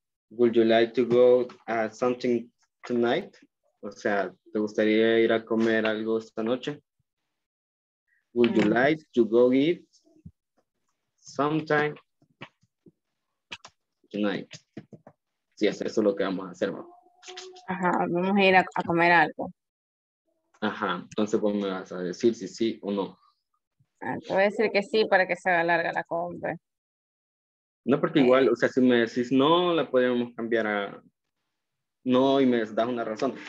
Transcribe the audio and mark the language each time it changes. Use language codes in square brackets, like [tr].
[en] Would you like to go at something tonight? [es] O sea, ¿te gustaría ir a comer algo esta noche? [en] Would you like to go eat sometime tonight? [es] Sí, eso es lo que vamos a hacer. Ajá, vamos a ir a comer algo. Ajá, entonces vos me vas a decir si sí o no. Te voy a decir que sí para que se haga larga la compra. No, porque igual, o sea, si me decís no, la podemos cambiar a no y me das una razón.